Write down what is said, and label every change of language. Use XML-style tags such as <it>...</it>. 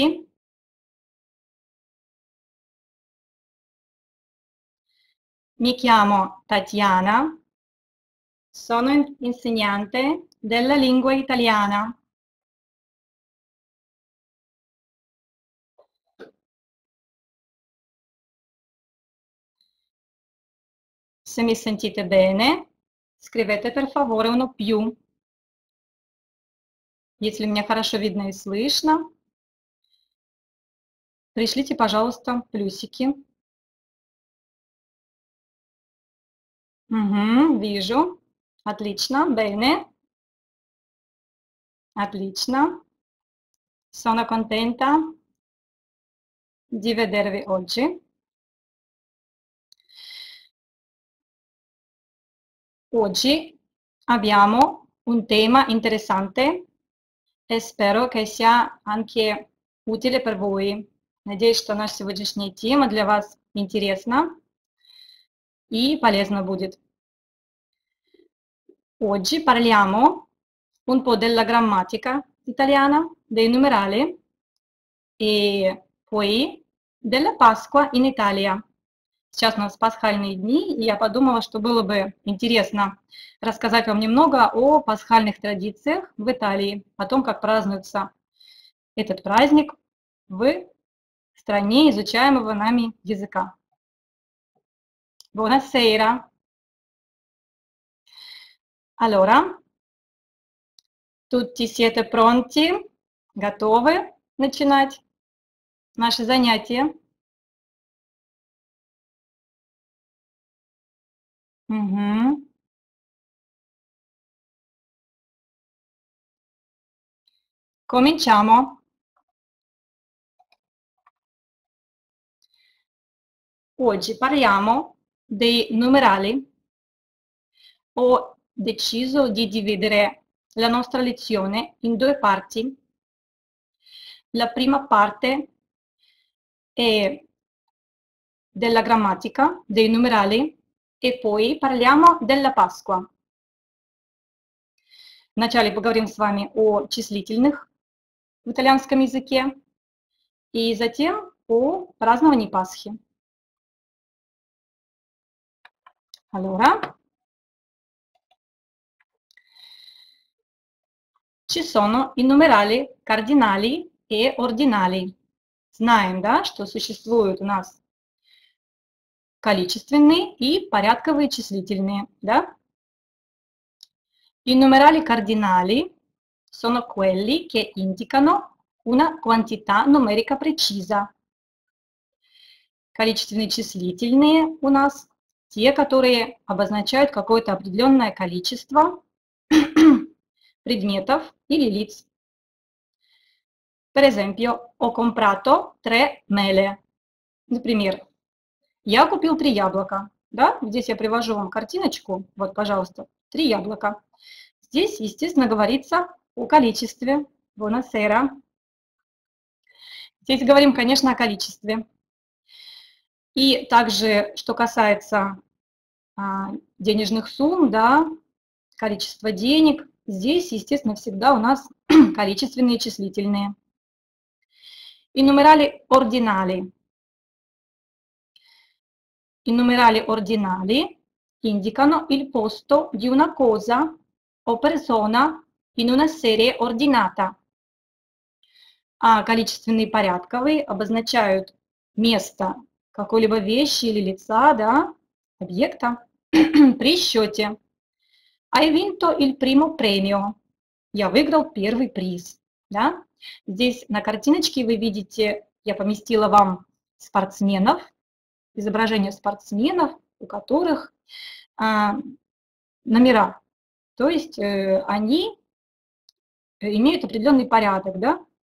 <it>Io mi chiamo Tatiana, sono insegnante della lingua italiana. Mi sentite bene, scrivete per favore uno più.</it> <ru>Если меня хорошо видно и слышно, пришлите, пожалуйста, плюсики. Вижу. Отлично. Bene. Отлично.</ru> <it>Sono contenta di vedervi oggi. Oggi abbiamo un tema interessante. E spero che sia anche utile per voi.</it> <ru>Надеюсь, что наша сегодняшняя тема для вас интересна и полезна будет.</ru> <it>Oggi parliamo un po' della grammatica italiana, dei numerali e poi della Pasqua in Italia.</it> <ru>Сейчас у нас пасхальные дни, и я подумала, что было бы интересно рассказать вам немного о пасхальных традициях в Италии, о том, как празднуется этот праздник в стране изучаемого нами языка.</ru> <it>Buonasera. Allora, tutti siete pronti?</it> <ru>Готовы начинать наше занятие?</ru> <it>Cominciamo. Oggi parliamo dei numerali. Ho deciso di dividere la nostra lezione in due parti. La prima parte è della grammatica dei numerali. E poi parliamo della Pasqua.</it> <ru>Вначале поговорим с вами о числительных в итальянском языке и затем о праздновании Пасхи.</ru> <it>Allora. Ci sono i numerali cardinali e ordinali.</it> <ru>Знаем, да, что существуют у нас количественные и порядковые числительные, да?</ru> <it>I numerali cardinali sono quelli che indicano una quantità numerica precisa.</it> <ru>Количественные числительные у нас те, которые обозначают какое-то определенное количество предметов или лиц.</ru> <it>Per esempio, ho comprato tre mele.</it> <ru>Например, я купил три яблока. Да? Здесь я привожу вам картиночку. Вот, пожалуйста, три яблока. Здесь, естественно, говорится о количестве.</ru> <it>Buonasera.</it> <ru>Здесь говорим, конечно, о количестве. И также, что касается денежных сумм, да, количества денег, здесь, естественно, всегда у нас количественные и числительные.</ru> <it>И numerali ordinali. I numerali ordinali indicano il posto di una cosa o persona in una serie ordinata.</it> <ru>А количественные порядковые обозначают место какой-либо вещи или лица, да, объекта при счете.</ru> <it>Hai vinto il primo premio.</it> <ru>Я выиграл первый приз. Да? Здесь на картиночке вы видите, я поместила вам спортсменов. Изображение спортсменов, у которых номера. То есть они имеют определенный порядок, да?</ru>